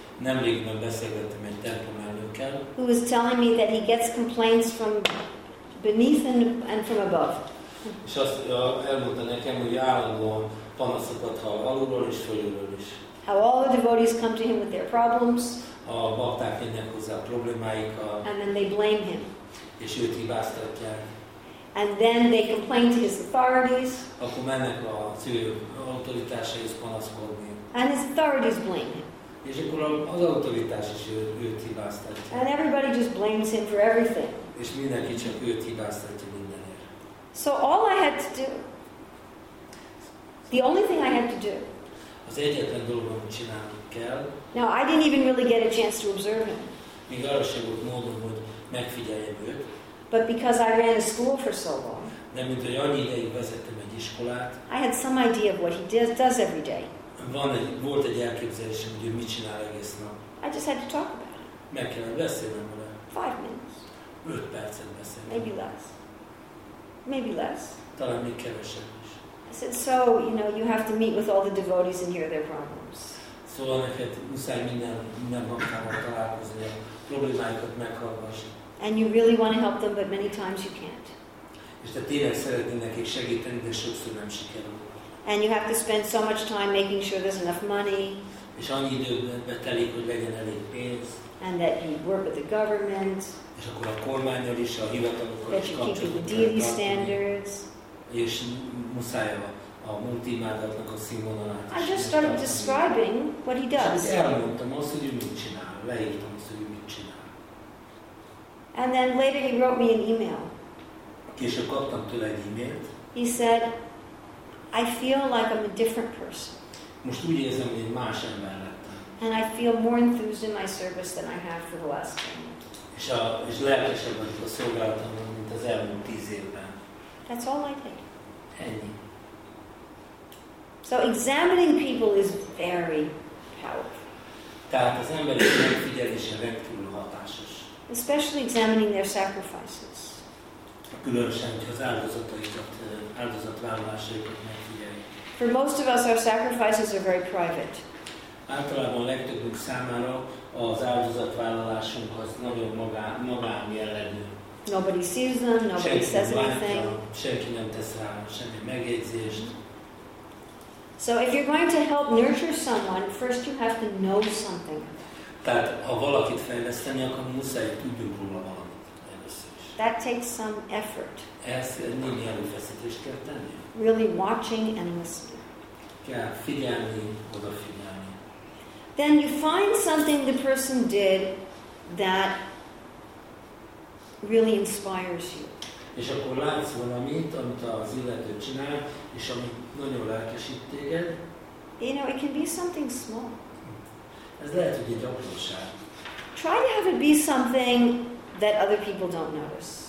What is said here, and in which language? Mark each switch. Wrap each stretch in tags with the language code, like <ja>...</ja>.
<hu>Nemrég már beszélgettem egy templom elnökkel.</hu> <en>Who was telling me that he gets complaints from beneath and from above.</en> <hu>És azt elmondta nekem, hogy állandóan panaszokat hall alulról és fölülről is.</hu> <en>How all the devotees come to him with their problems.</en> <hu>A bakták jönnek hozzá a problémáikkal.</hu> <en>And then they blame him.</en> <hu>És őt hibáztatják.</hu> <en>And then they complain to his authorities.</en> <hu>Akkor mennek a civil autoritásaihoz panaszkodni.</hu> <en>And his authorities blame him.</en> <hu>És akkor az autoritás is őt hibáztatja.</hu> <en>And everybody just blames him for everything.</en> <hu>És mindenki csak őt hibáztatja mindenért.</hu> <en>So all I had to do, the only thing I had to do,</en> <hu>az egyetlen dolog, amit csinálni kell.</hu> <en>Now, I didn't even really get a chance to observe him.</en> <hu>Még arra sem volt módon, hogy megfigyeljem őt.</hu> <en>But because I ran a school for so long,</en> <hu>de mint hogy annyi ideig vezettem egy iskolát,</hu> <en>I had some idea of what he does every day.</en> <hu>Volt egy elképzelésem, hogy ő mit csinál egész nap.</hu> <en>I just had to talk about it.</en> <hu>Meg kellett beszélnem vele.</hu> <en>5 minutes.</en> <hu>5 percet beszélnem.</hu> <en>Maybe less. Maybe less.</en> <hu>Talán még kevesebb is.</hu> <en>I said, so, you know, you have to meet with all the devotees and hear their problems.</en> <hu>Szóval neked muszáj minden magával találkozni, a problémáikat meghallgassni.</hu> <en>And you really want to help them, but many times you can't.</en> <hu>És te tényleg szeretnél nekik segíteni, de sokszor nem sikerül.</hu> <en>And you have to spend so much time making sure there's enough money.</en> <hu>És annyi időben betelik, hogy legyen elég pénz.</hu> <en>And that you work with the government.</en> <hu>És akkor a kormányról is, a hivatalokkal is kapcsolatban. És muszáj a multimádatnak a színvonalát is.</hu> <en>I just started describing what he does.</en> <hu>És elmondtam azt, hogy ő mit csinál. Leírtam azt, hogy ő mit csinál.</hu> <en>And then later he wrote me an email.</en> <hu>Később kaptam tőle egy e-mailt.</hu> <en>He said, I feel like I'm a different person.</en> <hu>Most úgy érzem, hogy egy más ember lettem.</hu> <en>And I feel more enthused in my service than I have for the last 10 years.</en> <hu>És lelkesebb vagyok a szolgálatomban, mint az elmúlt 10 évben.</hu> <en>That's all I did.</en> <hu>Ennyi.</hu> <en>So examining people is very powerful.</en> <hu>Tehát az emberi megfigyelése rendkívül hatásos.</hu> <en>Especially examining their sacrifices.</en> <hu>Különösen, hogyha az áldozatvállalásaikat megfigyeljük.</hu> <en>For most of us, our sacrifices are very private.</en> <hu>Általában a legtöbbünk számára az áldozatvállalásunk az nagyon magánjellegű.</hu> <en>Nobody sees them, nobody says anything.</en> <hu>Senki nem tesz rá semmi megjegyzést.</hu> <en>So if you're going to help nurture someone, first you have to know something.</en> <hu>Tehát ha valakit fejleszteni akar, muszáj tudjunk róla valamit.</hu> <en>That takes some effort.</en> <hu>Ez némi erőfeszítést kell tenni.</hu> <en>Really watching and listening.</en> <hu>Kell figyelni, odafigyelni.</hu> <en>Then you find something the person did that really inspires you.</en> <hu>És akkor látsz valamit, amit az illető csinál, és ami nagyon lelkesít téged.</hu> <en>You know, it can be something small.</en> <hu>Ez lehet, hogy egy apróság.</hu> <en>Try to have it be something that other people don't notice.</en>